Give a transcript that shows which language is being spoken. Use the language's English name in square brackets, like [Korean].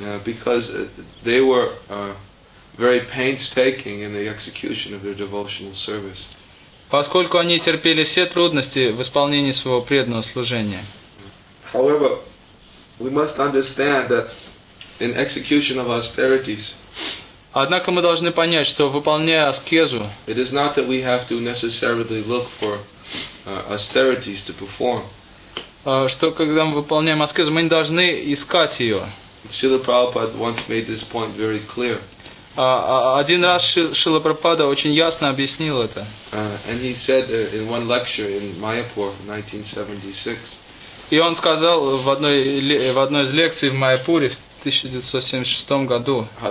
[English] Because they were very painstaking in the execution of their devotional service. [Russian] Поскольку они терпели все трудности в исполнении своего преданного служения. [English] However, we must understand that in execution of austerities. [Russian] Однако мы должны понять, что выполняя аскезу, [English] it is not that we have to necessarily look for austerities to perform. [Russian] Что когда мы выполняем аскезу, мы не должны искать ее. [English] Srila Prabhupada once made this point very clear. [Russian] Один раз Шрила Прабхупада очень ясно объяснил это. [English] And he said in one lecture in Mayapur, 1976. [Russian] И он сказал в одной из лекций в Майяпуре. В 1976 году.